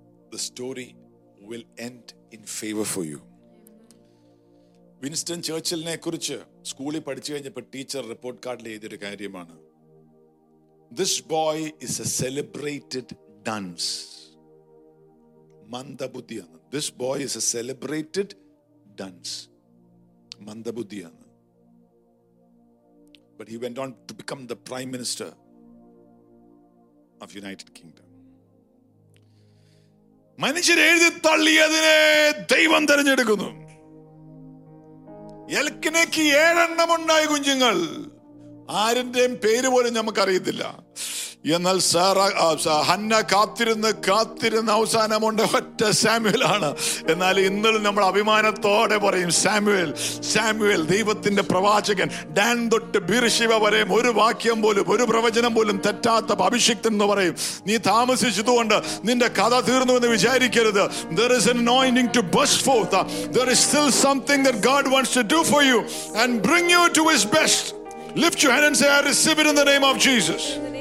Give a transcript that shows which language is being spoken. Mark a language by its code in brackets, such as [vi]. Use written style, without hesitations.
[en] The story will end in favor for you. [ml] Winston ചേർച്ചിലിനെ കുറിച്ച് സ്കൂളിൽ പഠിച്ചു കഴിഞ്ഞപ്പോൾ ടീച്ചർ റിപ്പോർട്ട് കാർഡിൽ എഴുതിയൊരു കാര്യമാണ്, [en] This boy is a celebrated dunce. [ml] മന്ദബുദ്ധിയാണ്. [en] This boy is a celebrated dunce. മന്ദബുദ്ധിയാണ്. But he went on to become the prime minister of the United Kingdom. [ml] മനുഷ്യർ എഴുതി തള്ളിയതിനെ ദൈവം തിരഞ്ഞെടുക്കുന്നു. എൽക്കിനേക്ക് ഏഴെണ്ണമുണ്ടായ കുഞ്ഞുങ്ങൾ, ആരിന്റെയും പേര് പോലും നമുക്കറിയത്തില്ല. എന്നാൽ ഹന്ന കാത്തിരുന്ന് അവസാനമുണ്ട് ഒറ്റ സാമുവേൽ ആണ്. എന്നാൽ ഇന്നലും നമ്മൾ അഭിമാനത്തോടെ പറയും, സാമുവേൽ, സാമുവേൽ, ദൈവത്തിന്റെ പ്രവാചകൻ. ഡാൻ തൊട്ട് ബീർശിവ വരെയും ഒരു വാക്യം പോലും, ഒരു പ്രവചനം പോലും തെറ്റാത്ത അഭിഷിക്തൻ എന്ന് പറയും. നീ താമസിച്ചതുകൊണ്ട് നിന്റെ കഥ തീർന്നു എന്ന് വിചാരിക്കരുത്. [en] There is an anointing to burst forth. There is still something that God wants to do for you and bring you to his best. Lift your hand and say, I receive it in the name of Jesus.